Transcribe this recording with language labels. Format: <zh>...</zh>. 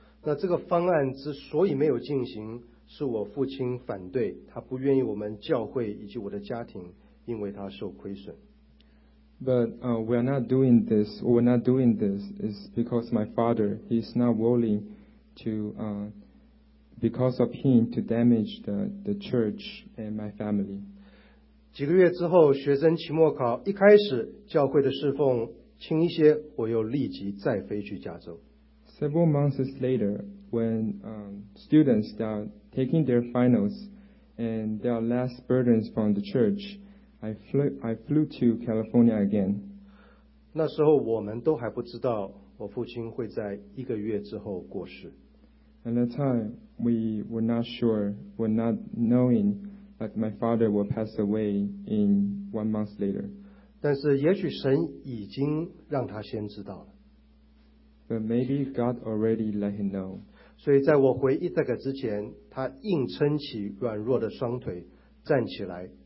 <zh>那这个方案之所以没有进行，是我父亲反对，他不愿意我们教会以及我的家庭。因为他受亏损。</zh> <en>But we are not doing this. We are not doing this is because my father is not willing to because of him to damage the church and my family.</en> <zh>几个月之后，学生期末考一开始，教会的侍奉轻一些，我又立即再飞去加州。</zh> <en>Several months later, when students start taking their finals and there are less burdens from the church. I flew to California again.</en> <zh>那时候我们都还不知道我父亲会在一个月之后过世。</zh> <en>At that time, we were not sure, were not knowing that my father will pass away in 1 month later.</en> <zh>但是也许神已经让他先知道了。</zh> <en>But maybe God already let him know.</en> <zh>所以在我回伊萨克之前，他硬撑起软弱的双腿站起来。</zh>